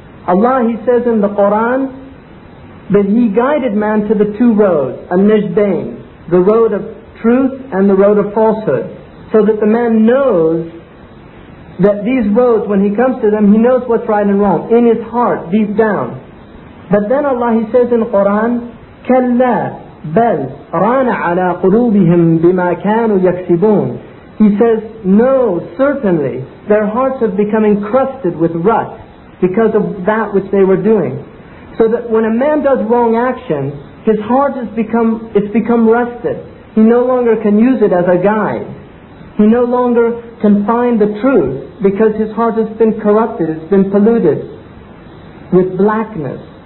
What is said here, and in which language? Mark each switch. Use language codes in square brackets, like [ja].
[en] Allah, he says in the Quran, that he guided man to the two roads, al-najdain, the road of truth and the road of falsehood. So that the man knows that these roads, when he comes to them, he knows what's right and wrong, in his heart, deep down. But then Allah, he says in Quran, [ar] كَلَّا بَلْ رَانَ عَلَىٰ قُلُوبِهِمْ بِمَا كَانُوا يَكْسِبُونَ. [en] He says, no, certainly, their hearts have become encrusted with rust because of that which they were doing. So that when a man does wrong action, his heart has become, it's become rusted. He no longer can use it as a guide. He no longer can find the truth because his heart has been corrupted, it's been polluted with blackness.